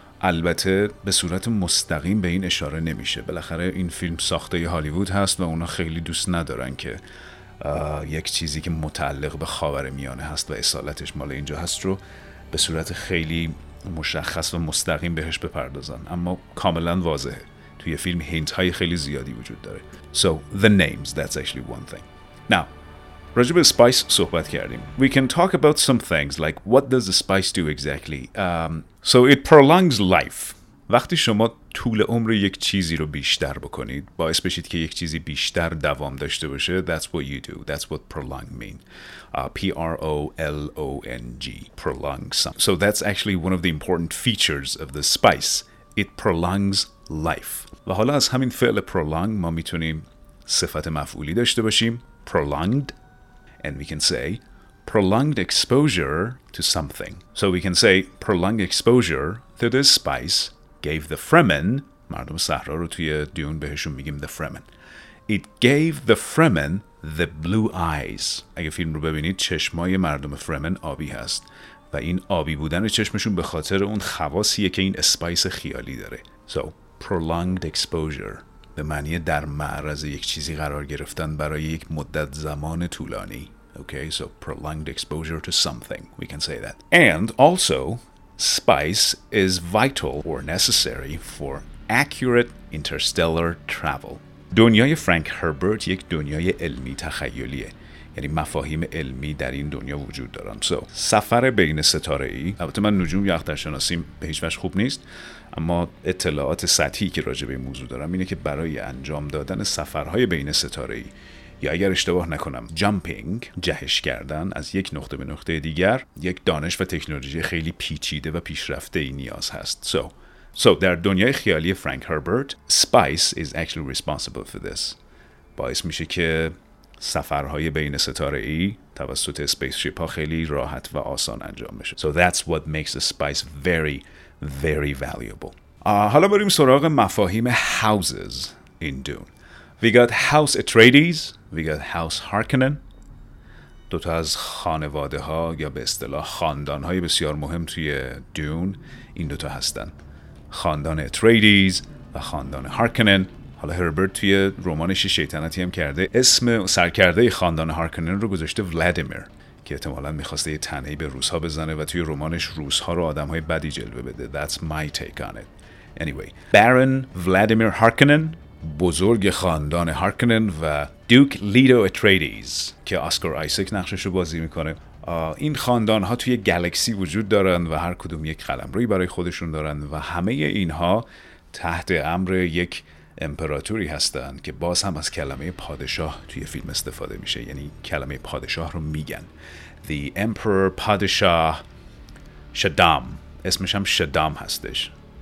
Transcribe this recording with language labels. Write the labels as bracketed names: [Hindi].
[Persian] البته به صورت مستقیم به این اشاره نمیشه، بالاخره این فیلم ساخته ی هالیوود هست و اونا خیلی دوست ندارن که یک چیزی که متعلق به خاورمیانه هست و اصالتش مال اینجا هست رو به صورت خیلی مشخص و مستقیم بهش بپردازن. اما کاملا واضحه توی فیلم هینت های خیلی زیادی وجود داره. [English] So the names, that's actually one thing. [Persian] Now راجع به spice صحبت کردیم. [English] We can talk about some things like what does the spice do exactly. So it prolongs life. [Persian] وقتی شما طول عمر یک چیزی رو بیشتر بکنید، باعث بشید که یک چیزی بیشتر دوام داشته باشه. [English] That's what you do. That's what prolong mean. P-R-O-L-O-N-G. Prolong some. So that's actually one of the important features of the spice. It prolongs life. [Persian] و حالا از همین فعل prolong ما میتونیم صفت مفعولی داشته باشیم. [English] Prolonged. And we can say prolonged exposure to something. So we can say prolonged exposure to this spice gave the Fremen, [Persian] مردم صحرا رو توی دیون بهشون میگیم [English] the Fremen. It gave the Fremen the blue eyes. [Persian] اگه فیلم رو ببینید، چشمای مردم Fremen آبی هست و این آبی بودن چشمشون به خاطر اون خواصیه که این اسپایس خیالی داره. So prolonged exposure به معنی در معرض یک چیزی قرار گرفتن برای یک مدت زمان طولانی. [English] Okay, so prolonged exposure to something, we can say that. And also, spice is vital or necessary for accurate interstellar travel. [Persian] دنیای فرانک هربرت یک دنیای علمی تخیلیه، یعنی مفاهیم علمی در این دنیا وجود دارن. So, سفر بین ستاره ای، البته من نجوم یا اخترشناسی به هیچ وجه خوب نیست، اما اطلاعات سطحی که راجع به این موضوع دارم اینه که برای انجام دادن سفرهای بین ستاره‌ای، یا اگر اشتباه نکنم جامپینگ، جهش کردن از یک نقطه به نقطه دیگر، یک دانش و تکنولوژی خیلی پیچیده و پیشرفته ای نیاز هست. [English] So [Persian] در دنیای خیالی فرانک هربرت، [English] spice is actually responsible for this. [Persian] باعث میشه که سفرهای بین ستاره‌ای توسط spaceship ها خیلی راحت و آسان انجام بشه. [English] So that's what makes the spice very valuable. [Persian] حالا بریم سراغ مفاهیم houses in Dune. [English] We got House Atreides, we got House Harkonnen. [Persian] دو تا از خانواده ها یا به اصطلاح خاندان های بسیار مهم توی دون این دو تا هستن. خاندان Atreides و خاندان Harkonnen. حالا هربرت توی رمانش شیطنتی هم کرده اسم سرکرده خاندان Harkonnen رو گذاشته ولادیمیر، که احتمالاً می‌خواسته یه تنهی به روس‌ها بزنه و توی رمانش روس‌ها رو آدم‌های بدی جلوه بده. [English] That's my take on it. [Persian] Anyway, Baron Vladimir Harkonnen، بزرگ خاندان Harkonnen و دوک لیدو اتریدیز که اسکار آیزک نقشش رو بازی میکنه. این خاندان ها توی گالکسی وجود دارن و هر کدوم یک قلمروی برای خودشون دارن و همه اینها تحت امر یک امپراتوری هستن که باز هم از کلمه پادشاه توی فیلم استفاده میشه، یعنی کلمه پادشاه رو میگن The Emperor پادشاه شدام، اسمش هم شدام هستش.